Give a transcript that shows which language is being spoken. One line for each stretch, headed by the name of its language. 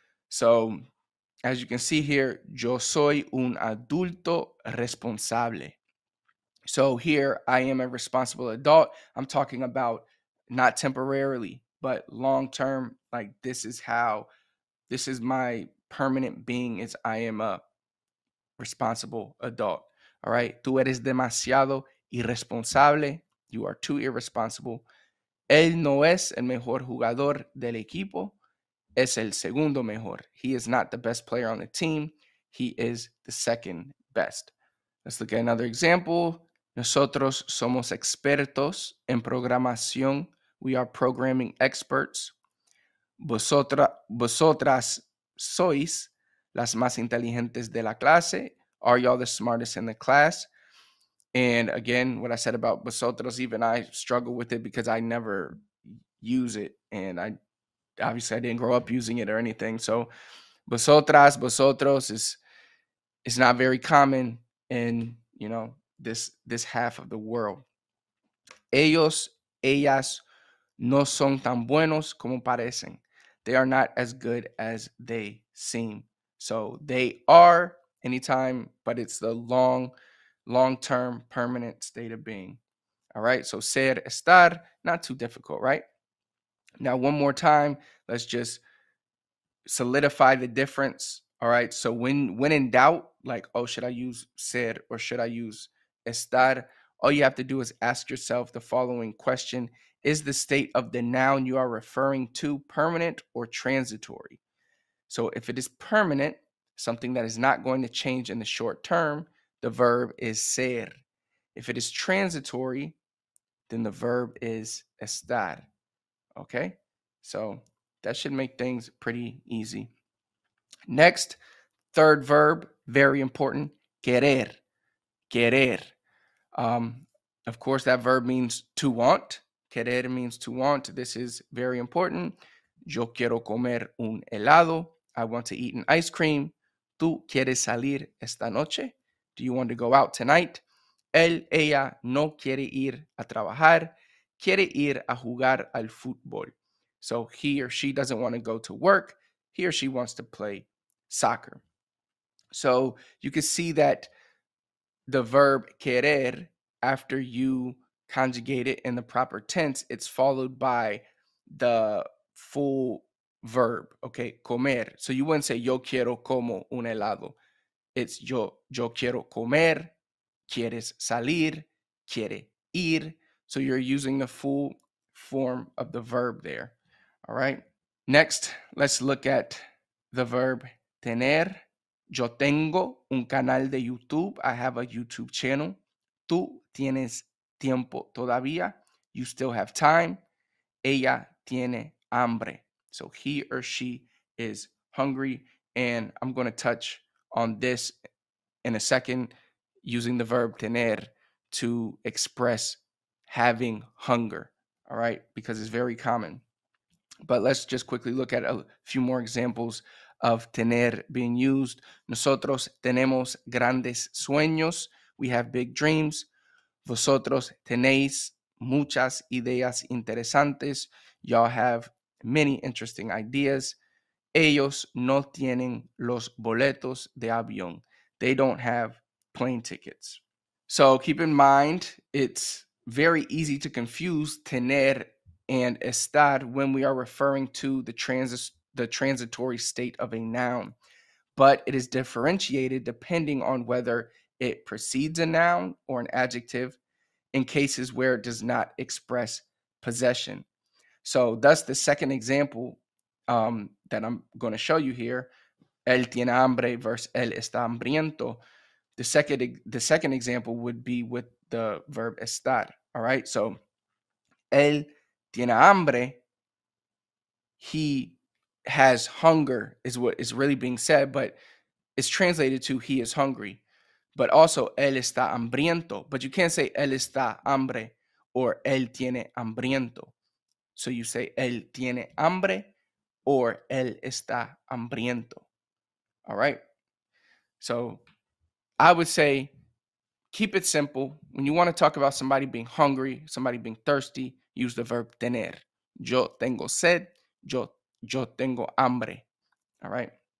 English: So, as you can see here,
Spanish: yo soy un adulto responsable.
English: So here, I am a responsible adult. I'm talking about not temporarily, but long-term. Like, this is my permanent being, is I am a responsible adult. All right,
Spanish: tú eres demasiado irresponsable.
English: You are too irresponsible.
Spanish: Él no es el mejor jugador del equipo. Es el segundo mejor.
English: He is not the best player on the team. He is the second best. Let's look at another example.
Spanish: Nosotros somos expertos en programación.
English: We are programming experts.
Spanish: Vosotras sois las más inteligentes de la clase.
English: Are y'all the smartest in the class? And again, what I said about vosotros, even I struggle with it because I never use it. And I obviously, I didn't grow up using it or anything. So vosotras, vosotros is not very common in, you know, this half of the world.
Spanish: Ellos, ellas no son tan buenos como parecen.
English: They are not as good as they seem. So they are. Anytime, but it's the long-term permanent state of being. All right, so ser, estar, not too difficult, right? Now, one more time, let's just solidify the difference. All right, so when in doubt, like, oh, should I use ser or should I use estar? All you have to do is ask yourself the following question. Is the state of the noun you are referring to permanent or transitory? So if it is permanent, something that is not going to change in the short term, the verb is ser. If it is transitory, then the verb is estar. Okay? So that should make things pretty easy. Next, third verb, very important, querer. Querer. Of course, that verb means to want. Querer means to want. This is very important.
Spanish: Yo quiero comer un helado.
English: I want to eat an ice cream.
Spanish: ¿Tú quieres salir esta noche?
English: Do you want to go out tonight?
Spanish: Él, ella no quiere ir a trabajar. Quiere ir a jugar al fútbol.
English: So he or she doesn't want to go to work. He or she wants to play soccer. So you can see that the verb querer, after you conjugate it in the proper tense, it's followed by the full verb, okay, comer. So you wouldn't say
Spanish: yo quiero como un helado. It's yo quiero comer, quieres salir, quiere ir.
English: So you're using the full form of the verb there. All right. Next, let's look at the verb tener.
Spanish: Yo tengo un canal de YouTube.
English: I have a YouTube channel.
Spanish: Tú tienes tiempo todavía.
English: You still have time.
Spanish: Ella tiene hambre.
English: So he or she is hungry, and I'm going to touch on this in a second, using the verb tener to express having hunger, all right, because it's very common. But let's just quickly look at a few more examples of tener being used.
Spanish: Nosotros tenemos grandes sueños.
English: We have big dreams.
Spanish: Vosotros tenéis muchas ideas interesantes.
English: Y'all have many interesting ideas.
Spanish: Ellos no tienen los boletos de avión.
English: They don't have plane tickets. So keep in mind, it's very easy to confuse tener and estar when we are referring to the transitory state of a noun. But it is differentiated depending on whether it precedes a noun or an adjective in cases where it does not express possession. So thus the second example that I'm going to show you here,
Spanish: él tiene hambre
English: versus
Spanish: él está hambriento.
English: The second example would be with the verb estar, all right? So
Spanish: él tiene hambre,
English: he has hunger is what is really being said, but it's translated to he is hungry. But also,
Spanish: él está hambriento.
English: But you can't say
Spanish: él está hambre or él tiene hambriento.
English: So you say
Spanish: él tiene hambre or él está hambriento.
English: All right? So I would say keep it simple. When you want to talk about somebody being hungry, somebody being thirsty, use the verb tener.
Spanish: Yo tengo sed. Yo tengo hambre.
English: All right?